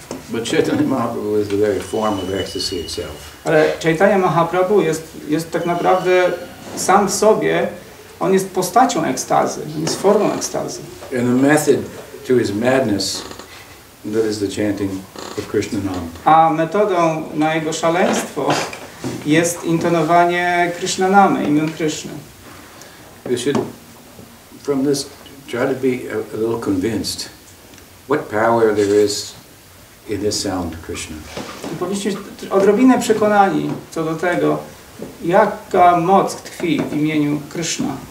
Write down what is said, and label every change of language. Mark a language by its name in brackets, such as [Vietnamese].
[English] But Chaitanya Mahaprabhu is the very form of ecstasy itself. [Polish] Ale Chaitanya Mahaprabhu jest tak naprawdę sam w sobie. On jest postacią ekstazy. On jest formą ekstazy. [English] And the method to his madness. That is the chanting of Krishna Nam. [Polish] A metodą na jego szaleństwo jest intonowanie Krishna Namy, imion Krishna. [English] You should, from this, try to be a little convinced what power there is in this sound, Krishna. [Polish] Powinniśmy być odrobinę przekonani co do tego, jaka moc tkwi w imieniu Krishna.